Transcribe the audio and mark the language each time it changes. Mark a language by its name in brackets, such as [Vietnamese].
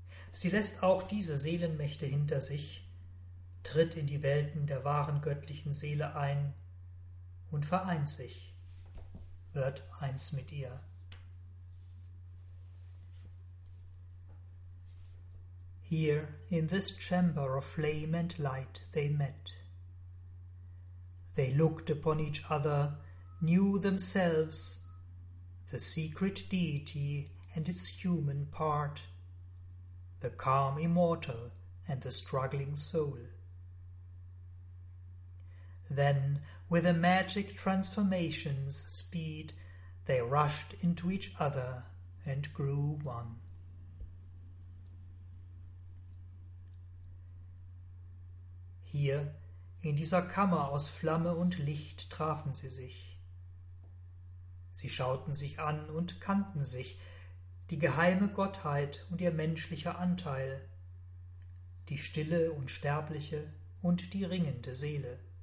[German] Sie lässt auch diese Seelenmächte hinter sich, tritt in die Welten der wahren göttlichen Seele ein und vereint sich, wird eins mit ihr. [English] Here in this chamber of flame and light they met. They looked upon each other, knew themselves, the secret deity and its human part, the calm immortal and the struggling soul. Then, with a magic transformation's speed, they rushed into each other and grew one. [German] Hier, in dieser Kammer aus Flamme und Licht, trafen sie sich. Sie schauten sich an und kannten sich, die geheime Gottheit und ihr menschlicher Anteil, die stille Unsterbliche und die ringende Seele.